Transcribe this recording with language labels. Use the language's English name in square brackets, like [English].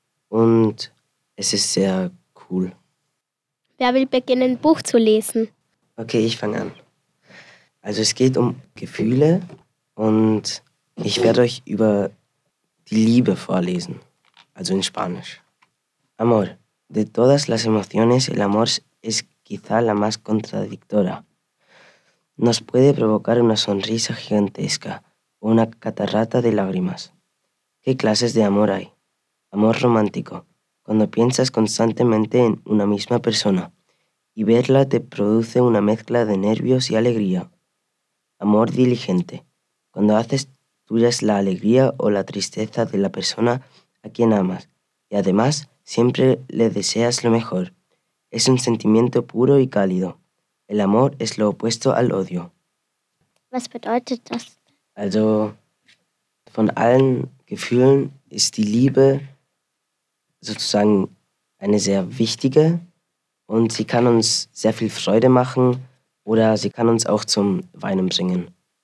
[German] Und es ist sehr cool. Wer will beginnen, Buch zu lesen? Okay, ich fange an. Also es geht um Gefühle, und ich werde euch über die Liebe vorlesen, also in Spanisch. [Spanish] Amor, de todas las emociones, el amor es quizá la más contradictora. Nos puede provocar una sonrisa gigantesca o una catarata de lágrimas. ¿Qué clases de amor hay? Amor romántico, cuando piensas constantemente en una misma persona y verla te produce una mezcla de nervios y alegría. Amor diligente, cuando haces tuyas la alegría o la tristeza de la persona a quien amas y además siempre le deseas lo mejor. Es un sentimiento puro y cálido. El amor es lo opuesto al odio. [German] Was bedeutet das? Also, von allen Gefühlen ist die Liebe sozusagen eine sehr wichtige, und sie kann uns sehr viel Freude machen oder sie kann uns auch zum Weinen bringen.